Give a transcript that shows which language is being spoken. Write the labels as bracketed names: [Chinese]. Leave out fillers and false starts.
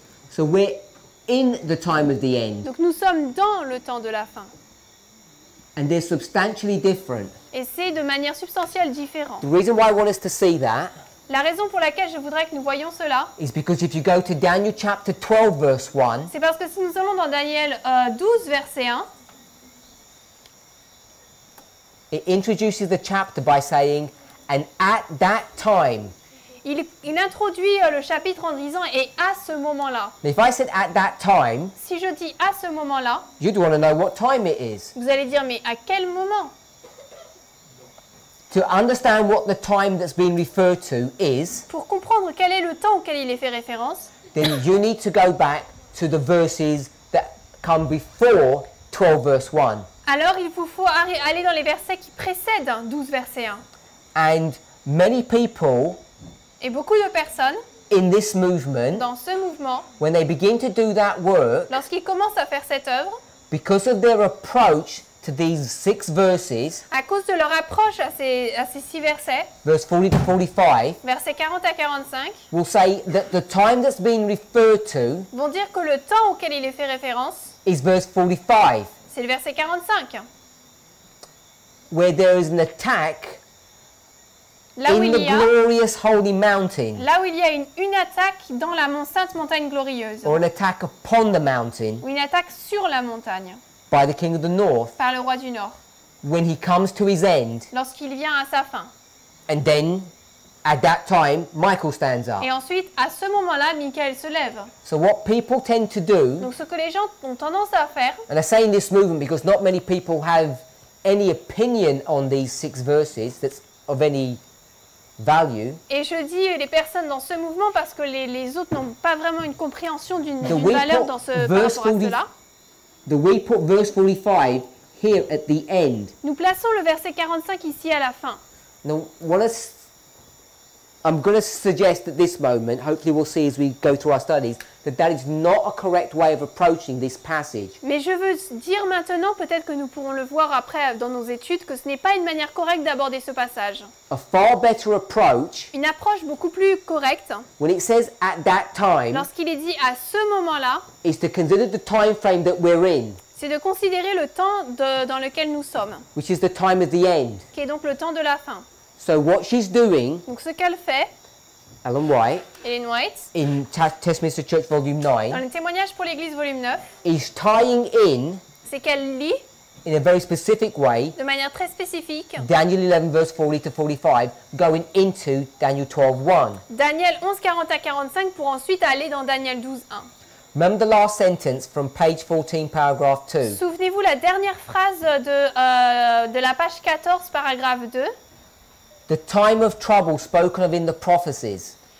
[English] So we're in the time of the end. [French] Donc nous sommes dans le temps de la fin. [English] And they're substantially different. [French] Et c'est de manière substantielle différente. [English] The reason why I want us to see that. [French] La raison pour laquelle je voudrais que nous voyions cela. [English] Is because if you go to Daniel chapter 12 verse 1. [French] C'est parce que si nous allons dans Daniel 12 verset 1. [English] It introduces the chapter by saying, and at that time. [French] Il introduit le chapitre en disant « et à ce moment-là ». [English] If I said at that time, [French] si je dis « à ce moment-là », [English] you'd want to know what time it is. [French] Vous allez dire « mais à quel moment ?» [English] To understand what the time that's being referred to is, [French] pour comprendre quel est le temps auquel il est fait référence, [English] then you need to go back to the verses that come before 12 verse 1. [French] Alors il vous faut aller dans les versets qui précèdent 12 verset 1. [English] And many people, [French] et beaucoup de personnes [English] in this movement, [French] dans ce mouvement, [English] when they begin to do that work, [French] lorsqu'ils commencent à faire cette œuvre, [English] because of their approach to these six verses, [French] à cause de leur approche à ces six versets, [English] verse 40 to 45, [French] versets 40 à 45, [English] will say that the time that's being referred to, [French] vont dire que le temps auquel il est fait référence, [English] is verse 45. [French] C'est le verset 45. [English] Where there is an attack. [French] Là où, [English] in the glorious holy mountain. [French] Là où il y a une attaque dans la sainte montagne glorieuse. [English] Or an attack upon the mountain. [French] Ou une attaque sur la montagne. [English] By the king of the north. [French] Par le roi du nord. [English] When he comes to his end. [French] Lorsqu'il vient à sa fin. [English] And then, at that time, Michael stands up. [French] Et ensuite, à ce moment-là, Michael se lève. [English] So what people tend to do. [French] Donc ce que les gens ont tendance à faire. [English] And I say in this movement because not many people have any opinion on these six verses that's of any value. [French] Et je dis les personnes dans ce mouvement parce que les autres n'ont pas vraiment une compréhension d'une valeur dans ce verset-là. [English] The we put verse 45 here at the end. [French] Nous plaçons le verset 45 ici à la fin. [English] Now, what is I'm going to suggest at this moment, hopefully we'll see as we go through our studies, that that is not a correct way of approaching this passage. [French] Mais je veux dire maintenant, peut-être que nous pourrons le voir après dans nos études, que ce n'est pas une manière correcte d'aborder ce passage. [English] A far better approach. [French] Une approche beaucoup plus correcte. [English] When it says at that time. [French] Lorsqu'il est dit à ce moment-là. [English] Is to consider the time frame that we're in. [French] C'est de considérer le temps dans lequel nous sommes. [English] Which is the time of the end. [French] Qui est donc le temps de la fin. [English] So what she's doing, [French] donc ce qu'elle fait, [English] Ellen White, [French] Ellen [English] White in Testminster Church Volume 9, [French] dans le témoignage pour l'Église Volume 9, [English] is tying in, [French] c'est qu'elle lit, [English] in a very specific way, [French] de manière très spécifique, [English] Daniel 11 verse 40 to 45, going into Daniel 12 1. [French] Daniel 11 40 à 45 pour ensuite aller dans Daniel 12 1. [English] Remember the last sentence from page 14, paragraph 2. [French] Souvenez-vous la dernière phrase de la page 14, paragraphe 2. [English] The time of trouble spoken of in the prophecies.